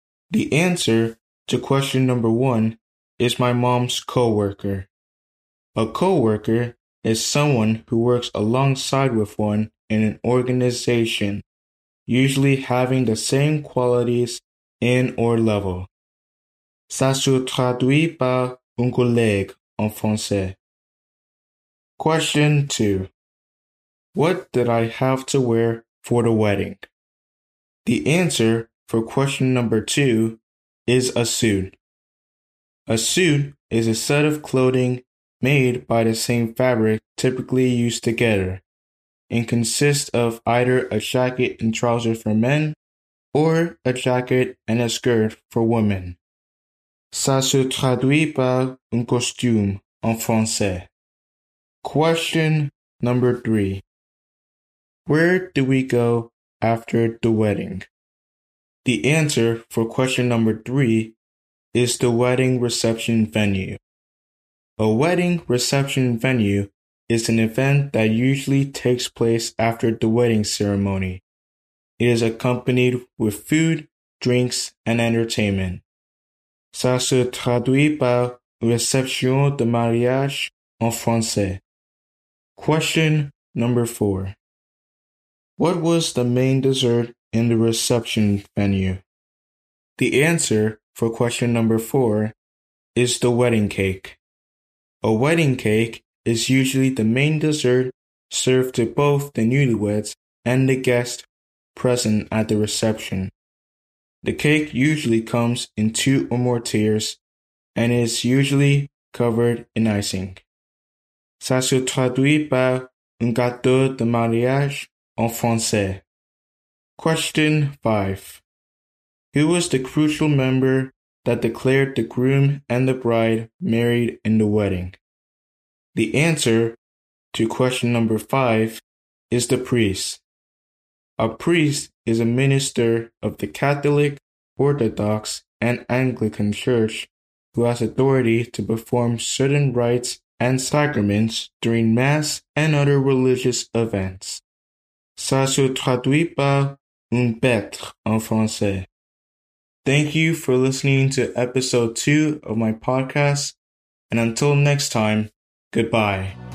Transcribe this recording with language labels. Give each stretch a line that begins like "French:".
English: The answer to question number 1 is my mom's coworker. A coworker is someone who works alongside with one in an organization, usually having the same qualities and or level.
French: Ça se traduit par un collègue en français.
English: Question 2. What did I have to wear for the wedding? The answer for question number 2 is a suit. A suit is a set of clothing made by the same fabric typically used together and consists of either a jacket and trousers for men or a jacket and a skirt for women.
French: Ça se traduit par un costume en français.
English: Question number 3. Where do we go after the wedding? The answer for question number 3 is the wedding reception venue. A wedding reception venue is an event that usually takes place after the wedding ceremony. It is accompanied with food, drinks, and entertainment.
French: Ça se traduit par réception de mariage en français.
English: Question number 4. What was the main dessert in the reception venue? The answer for question number 4 is the wedding cake. A wedding cake is usually the main dessert served to both the newlyweds and the guests present at the reception. The cake usually comes in 2 or more tiers and is usually covered in icing.
French: Ça se traduit par un gâteau de mariage en français.
English: Question 5. Who was the crucial member that declared the groom and the bride married in the wedding? The answer to question number 5 is the priest. A priest is a minister of the Catholic, Orthodox, and Anglican Church who has authority to perform certain rites and sacraments during Mass and other religious events.
French: Ça se traduit par un prêtre en français.
English: Thank you for listening to episode 2 of my podcast, and until next time, goodbye.